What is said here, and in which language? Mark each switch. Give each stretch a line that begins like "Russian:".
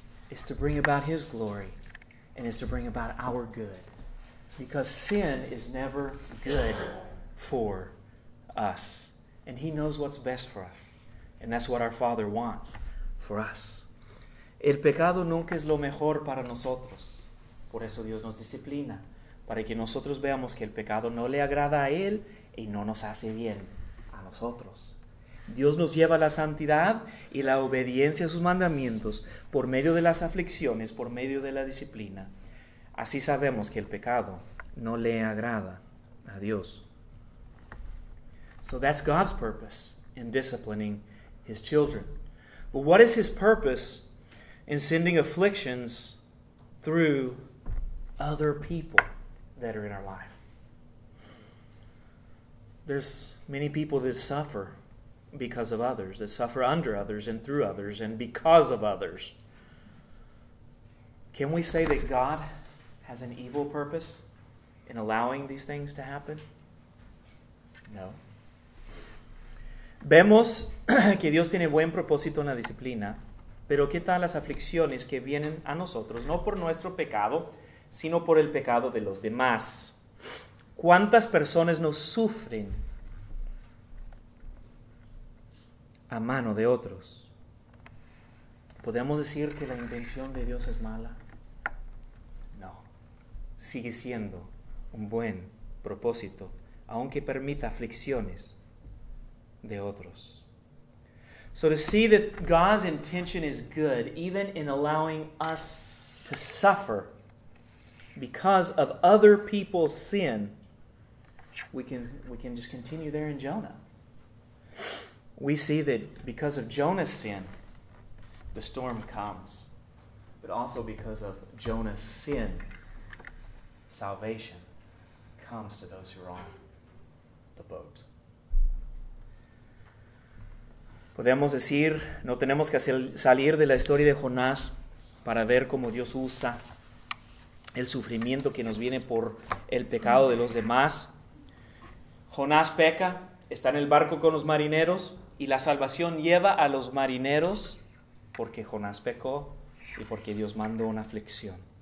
English: It's to bring about His glory, and it's to bring about our good. Because sin is never good for us. And He knows what's best for us. And that's what our Father wants for us.
Spanish: El pecado nunca es lo mejor para nosotros. Por eso Dios nos disciplina. para que nosotros veamos que el pecado no le agrada a Él y no nos hace bien a nosotros. Dios nos lleva a la santidad y la obediencia a sus mandamientos por medio de las aflicciones, por medio de la disciplina. Así sabemos que el pecado no le agrada a Dios.
English: So that's God's purpose in disciplining His children. But what is His purpose in sending afflictions through other people that are in our life? There's many people that suffer because of others, that suffer under others and through others and because of others. Can we say that God has an evil purpose in allowing these things to happen? No.
Spanish: Vemos que Dios tiene buen propósito en la disciplina, pero ¿qué tal las aflicciones que vienen a nosotros, no por nuestro pecado, sino por el pecado de los demás? ¿Cuántas personas nos sufren a mano de otros? ¿Podemos decir que la intención de Dios es mala? No. Sigue siendo un buen propósito, aunque permita aflicciones de otros.
English: So to see that God's intention is good, even in allowing us to suffer because of other people's sin, we can just continue there in Jonah. We see that because of Jonah's sin, the storm comes. But also because of Jonah's sin, salvation comes to those who are on the boat.
Spanish: Podemos decir, no tenemos que salir de la historia de Jonás para ver cómo Dios usa el sufrimiento que nos viene por el pecado de los demás. Jonás peca, está en el barco con los marineros y la salvación lleva a los marineros porque Jonás pecó y porque Dios mandó una aflicción.